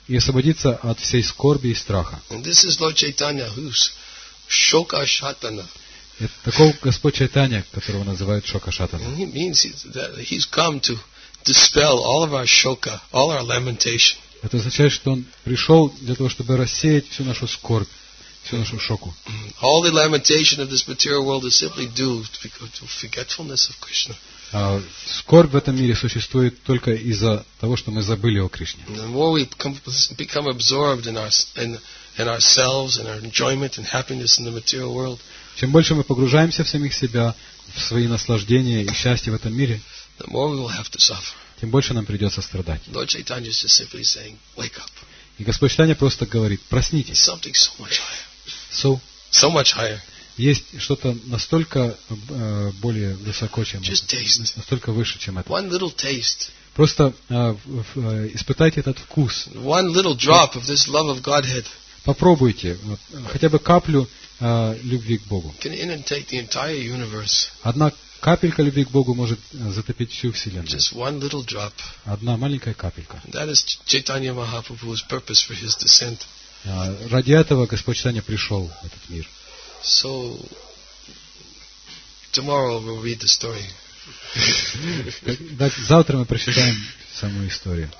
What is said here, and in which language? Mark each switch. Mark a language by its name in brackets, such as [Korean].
[Russian] И освободиться от всей скорби и страха. [English] And this is Lord Chaitanya, who's Shokashatana. [Russian] Это такой Господь Чайтанья, которого называют Шокашатана. [English] He means that he's come to dispel all of our shoka, all our lamentation. [Russian] Это означает, что Он пришел для того, чтобы рассеять всю нашу скорбь. Всю нашу шоку. [English] All the lamentation of this material world is simply due to forgetfulness of Krishna. [Russian] Скорбь в этом мире существует только из-за того, что мы забыли о Кришне. [English] The more we become absorbed in ourselves and our enjoyment and happiness in the material world, [Russian] чем больше мы погружаемся в самих себя, в свои наслаждения и счастье в этом мире, [English] the more we will have to suffer. [Russian] Тем больше нам придется страдать. [English] Lord Chaitanya is just simply saying, wake up. [Russian] И Господь Чайтанья просто говорит, проснитесь. [English] Something so much higher. So, so much higher. [Russian] Есть что-то настолько более высоко, чем это. Настолько выше, чем это. [English] One little taste. [Russian] Просто испытайте этот вкус. [English] One little drop of this love of Godhead. [Russian] Попробуйте хотя бы каплю любви к Богу. [English] Can inundate the entire universe. [Russian] Одна капелька любви к Богу может затопить всю Вселенную. [English] Just one little drop. [Russian] Одна маленькая капелька. [English] That is Chaitanya Mahaprabhu's purpose for his descent. [Russian] Ради этого Господь Чайтанья пришел в этот мир. [English] So, tomorrow we'll read the story. [Russian] Завтра мы прочитаем саму историю.